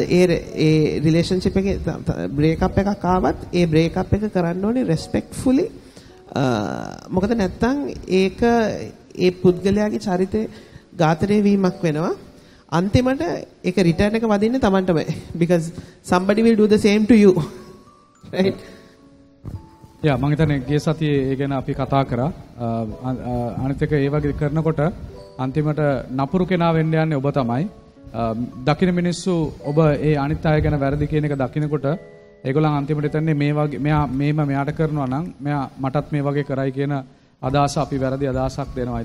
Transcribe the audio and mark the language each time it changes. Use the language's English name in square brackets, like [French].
[Sinhala] ඒ relationship එකේ breakup එකක් ආවත් ඒ breakup එක කරන්න ඕනේ respectfully. මොකද නැත්තම් ඒක ඒ පුද්ගලයාගේ චරිතේ ඝාතනය වීමක් වෙනවා. අන්තිමට ඒක return එක වදින්නේ Tamanටම. [English] Because somebody will do the same to you. Right? [Sinhala] Yeah, මම හිතන්නේ ගිය සතියේ ඒ ගැන අපි කතා කරා. අනිත් එක ඒ වගේ කරනකොට අන්තිමට නපුරු කෙනා වෙන්න යන්නේ ඔබ තමයි. දකින මිනිස්සු ඔබ ඒ අනිත් අය ගැන වැරදි කියන එක දකිනකොට ඒගොල්ලන් අන්තිමට හිතන්නේ මේ වගේ මෙයා මේම මෙයාට කරනවා නම් මෙයා මටත් මේ වගේ කරයි කියන අදහස අපි වැරදි අදහසක් දෙනවා.